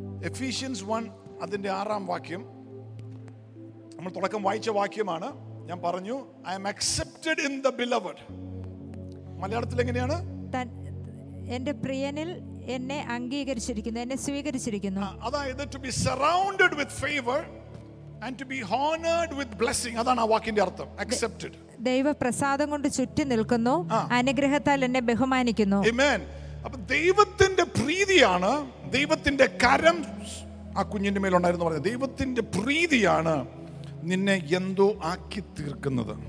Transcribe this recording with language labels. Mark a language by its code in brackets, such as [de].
[ml] Ephesians 1, അതിന്റെ ആറാം വാക്യം നമ്മൾ തുടക്കം വായിച്ച വാക്യമാണ്. ഞാൻ പറഞ്ഞു, [en] I am accepted in the beloved. [ml] മലയാളത്തിൽ എങ്ങനെയാണ്? എന്റെ പ്രിയനിൽ എന്നെ അംഗീകരിച്ചിരിക്കുന്നു, എന്നെ സ്വീകരിച്ചിരിക്കുന്നു. [en] അതായത് to be surrounded with favor and to be honored with blessing. [ml] അതാണ് ആ വാക്കിന്റെ അർത്ഥം. Accepted. ദൈവപ്രസാദം കൊണ്ട് ചുറ്റി നിൽക്കുന്നു, അനുഗ്രഹത്താൽ എന്നെ ബഹുമാനിക്കുന്നു. [en] Amen. [ml] അപ്പൊ ദൈവത്തിന്റെ പ്രീതിയാണ്, ദൈവത്തിന്റെ കരം ആ കുഞ്ഞിന്റെ മേൽ ഉണ്ടായിരുന്നു പറഞ്ഞത്. ദൈവത്തിന്റെ പ്രീതിയാണ് നിന്നെ എന്തോ ആക്കി തീർക്കുന്നത്.